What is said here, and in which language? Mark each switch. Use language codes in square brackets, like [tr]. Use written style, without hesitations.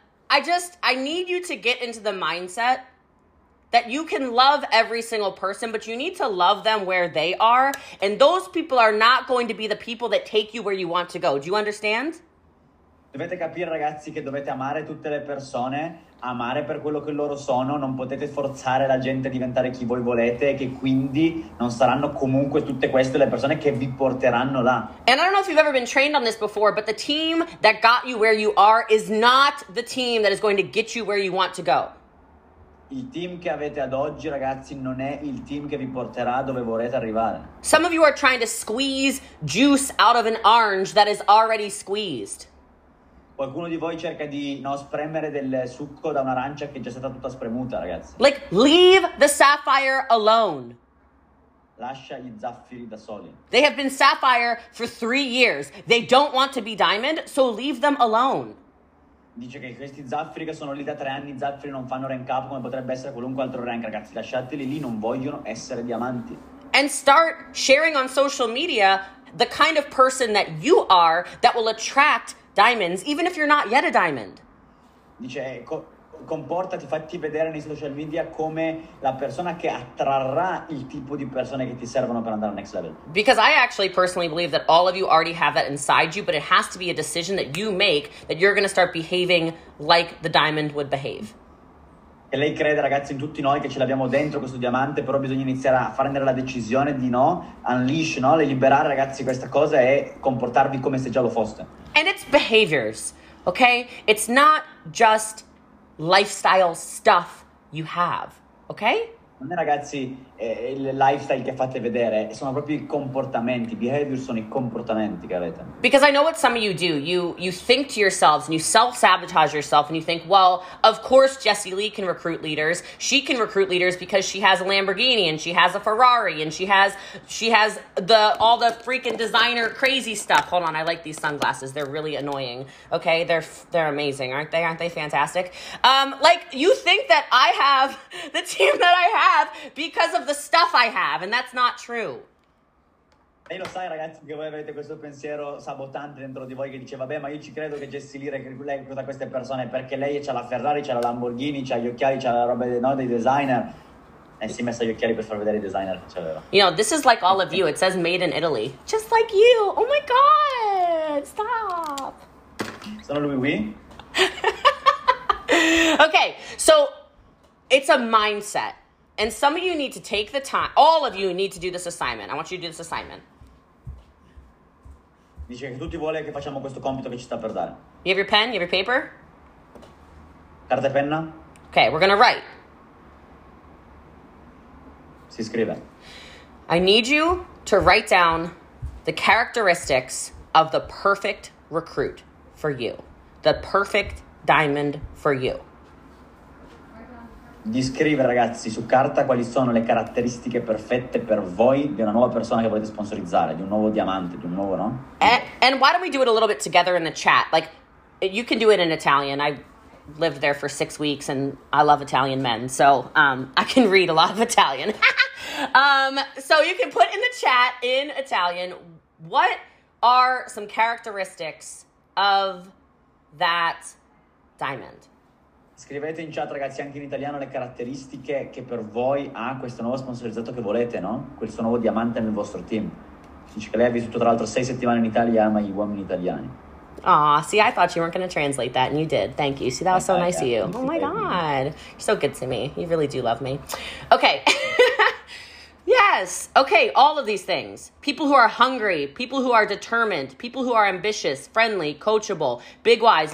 [en] I need you to get into the mindset that you can love every single person, but you need to love them where they are. And those people are not going to be the people that take you where you want to go. Do you understand? [it] Dovete capire, ragazzi, che dovete amare tutte le persone, amare per quello che loro sono. Non potete forzare la gente a diventare chi voi volete, che quindi non saranno comunque tutte queste le persone che vi porteranno là. [en] And I don't know if you've ever been trained on this before, but the team that got you where you are is not the team that is going to get you where you want to go. [it] Il team che avete ad oggi, ragazzi, non è il team che vi porterà dove vorrete arrivare. [en] Some of you are trying to squeeze juice out of an orange that is already squeezed. [it] Qualcuno di voi cerca di spremere del succo da un'arancia che è già stata tutta spremuta, ragazzi. [en] Like, leave the sapphire alone. [it] Lascia gli zaffiri da soli. [en] They have been sapphire for 3 years. They don't want to be diamond, so leave them alone. [it] Dice che questi zaffiri che sono lì da 3 anni, zaffiri non fanno rank up come potrebbe essere qualunque altro rank, ragazzi, lasciateli lì, non vogliono essere diamanti. [en] And start sharing on social media the kind of person that you are that will attract diamonds, even if you're not yet a diamond. [it] Dice, comportati, fatti vedere nei social media come la persona che attrarrà il tipo di persone che ti servono per andare al [en] next level. Because I actually personally believe that all of you already have that inside you, but it has to be a decision that you make that you're going to start behaving like the diamond would behave. [it] E lei crede, ragazzi, in tutti noi che ce l'abbiamo dentro questo diamante, però bisogna iniziare a prendere la decisione di liberare, ragazzi, questa cosa e comportarvi come se già lo foste. [en] And it's behaviors, okay? It's not just lifestyle stuff you have, okay? [it] Non è, ragazzi, il lifestyle che fate vedere, sono proprio i comportamenti. Behaviors sono i comportamenti che avete. [en] Because I know what some of you do. You think to yourselves and you self-sabotage yourself and you think, well, of course Jessie Lee can recruit leaders. She can recruit leaders because she has a Lamborghini and she has a Ferrari and she has all the freaking designer crazy stuff. Hold on, I like these sunglasses. They're really annoying. Okay, they're amazing, aren't they? Aren't they fantastic? Like, you think that I have the team that I have because of the stuff I have, and that's not true. [it] Lo sai, ragazzi, che voi avete questo pensiero sabotante dentro di voi che dice, vabbè, ma io ci credo che Jessie Lee recruta queste persone perché lei c'ha la Ferrari, c'ha la Lamborghini, c'ha gli occhiali, c'ha la roba dei designer. E si è messa gli occhiali per far vedere i designer che c'aveva. [en] You know, this is like all of you. It says made in Italy. Just like you. Oh my God. Stop. Sono lui, oui? Okay, so it's a mindset. And some of you need to take the time. All of you need to do this assignment. I want you to do this assignment. [it] Dice che tutti vuole che facciamo questo compito che ci sta per dare. [en] You have your pen? You have your paper? [it] Carta e penna? [en] Okay, we're gonna write. [it] Si scrive. [en] I need you to write down the characteristics of the perfect recruit for you. The perfect diamond for you. [it] Di scrivere, ragazzi, su carta quali sono le caratteristiche perfette per voi di una nuova persona che volete sponsorizzare, di un nuovo diamante, di un nuovo, no? [en] And why don't we do it a little bit together in the chat? Like, you can do it in Italian. I lived there for 6 weeks and I love Italian men, so I can read a lot of Italian. So you can put in the chat in Italian are some characteristics of that diamond. [it] Scrivete in chat, ragazzi, anche in italiano le caratteristiche che per voi ha questo nuovo sponsorizzato che volete, no? Questo nuovo diamante nel vostro team. Dice che lei ha vissuto tra l'altro 6 settimane in Italia e ama gli uomini italiani. [en] Aw, see, I thought you weren't going to translate that, and you did. Thank you. See, that was so nice of you. Oh, my God. You're so good to me. You really do love me. Okay. Yes. Okay, all of these things. People who are hungry, people who are determined, people who are ambitious, friendly, coachable, big wise.